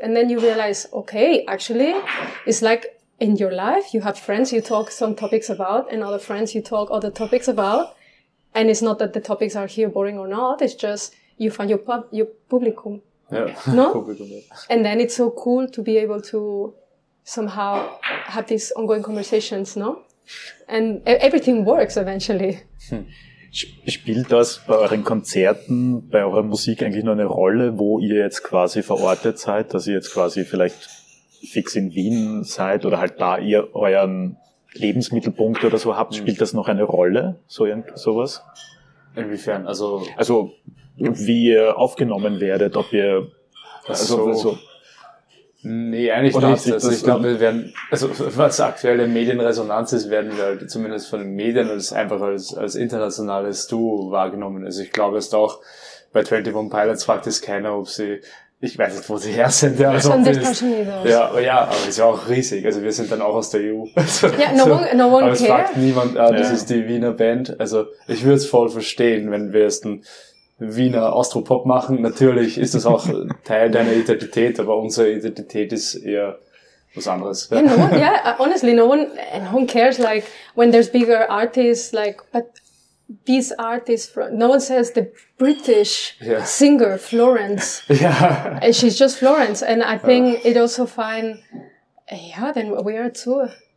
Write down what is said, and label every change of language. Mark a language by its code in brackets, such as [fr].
[en] And then you realize, okay, actually, it's like in your life, you have friends you talk some topics about and other friends you talk other topics about. And it's not that the topics are here boring or not, it's just you find your publicum. Yeah. No? Publicum, yeah. And then it's so cool to be able to somehow have these ongoing conversations, no? And everything works eventually. [de] Spielt das bei euren Konzerten, bei eurer Musik eigentlich noch eine Rolle, wo ihr jetzt quasi verortet seid, dass ihr jetzt quasi vielleicht fix in Wien seid oder halt da ihr euren Lebensmittelpunkt oder so habt? Spielt das noch eine Rolle, so sowas? Inwiefern? Also, wie ihr aufgenommen werdet, ob ihr... Nee, eigentlich oder nicht. Also ich glaube, wir werden, was aktuelle Medienresonanz ist, werden wir halt zumindest von den Medien als internationales Duo wahrgenommen. Also ich glaube, es ist auch bei 21 Pilots fragt es keiner, ob sie, ich weiß nicht, wo sie her sind. Ja, also von der ist, ja, aber ja, aber es ist ja auch riesig. Also wir sind dann auch aus der EU. [en] no one [de] aber es [en] care. [de] Fragt niemand, das ist die Wiener Band. Also ich würde es voll verstehen, wenn wir es dann Wiener Austropop machen, natürlich ist das auch Teil deiner Identität, aber unsere Identität ist eher was anderes. [en] Yeah, no one cares, like, when there's bigger artists, like, but these artists, no one says the British singer, Florence. Yeah. And she's just Florence, and I think it also fine, then we are too.